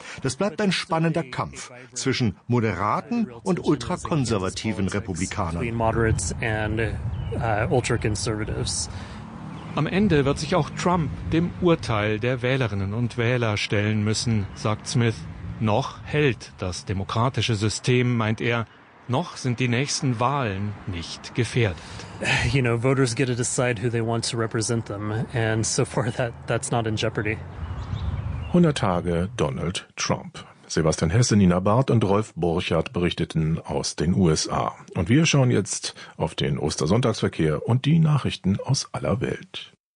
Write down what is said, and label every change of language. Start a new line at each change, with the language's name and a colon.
German: Das bleibt ein spannender Kampf zwischen moderaten und ultrakonservativen Republikanern. Am Ende wird sich auch Trump dem Urteil der Wählerinnen und Wähler stellen müssen, sagt Smith. Noch hält das demokratische System, meint er, Noch sind die nächsten Wahlen nicht gefährdet.
English: You know, voters get to decide who they want to represent them, and so far that's not in jeopardy.
German: 100 Tage Donald Trump. Sebastian Hesse, Nina Barth und Rolf Burchardt berichteten aus den USA. Und wir schauen jetzt auf den Ostersonntagsverkehr und die Nachrichten aus aller Welt.